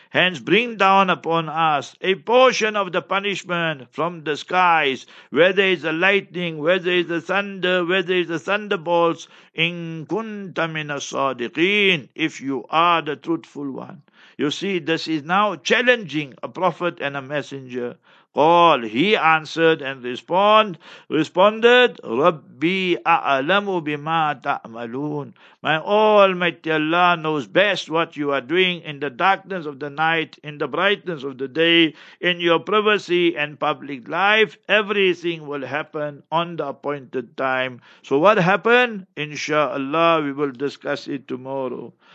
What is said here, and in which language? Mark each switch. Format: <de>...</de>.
<en>Hence bring down upon us a portion of the punishment from the skies, whether it's a lightning, whether it's a thunder, whether it's a thunderbolts.</en> <ar>إِن كُنْتَ مِّنَ الصَّادِقِينَ.</ar> <en>If you are the truthful one. You see, this is now challenging a prophet and a messenger.</en> <ar>قال,</ar> <en>he answered and responded,</en> <ar>رَبِّي أَعْلَمُ بِمَا تَعْمَلُونَ.</ar> <en>My Almighty Allah knows best what you are doing in the darkness of the night, in the brightness of the day, in your privacy and public life. Everything will happen on the appointed time. So what happened? InshaAllah, we will discuss it tomorrow.</en>